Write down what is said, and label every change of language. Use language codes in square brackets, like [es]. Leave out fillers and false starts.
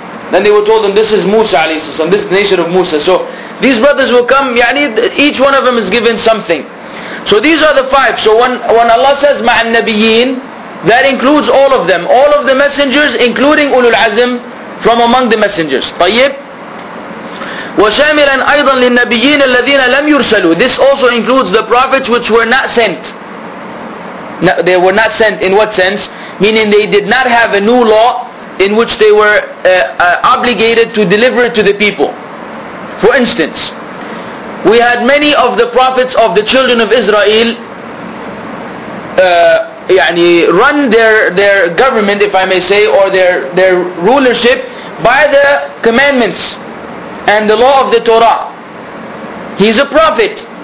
[en] Then they were told them, this is Musa alayhi salam, this is the nation of Musa. So these brothers will come, يعني, each one of them is given something. So these are the five. So when Allah says مع النبيين, that includes all of them. All of the messengers, including أولو العزم, from among the messengers. [ar] طيب. وشاملا أيضا للنبيين الذين لم يرسلوا. [en] This also includes the prophets which were not sent. No, they were not sent in what sense? Meaning they did not have a new law in which they were obligated to deliver it to the people. For instance, we had many of the prophets of the children of Israel يعني run their government, if I may say, or their rulership by the commandments and the law of the Torah. He's a prophet.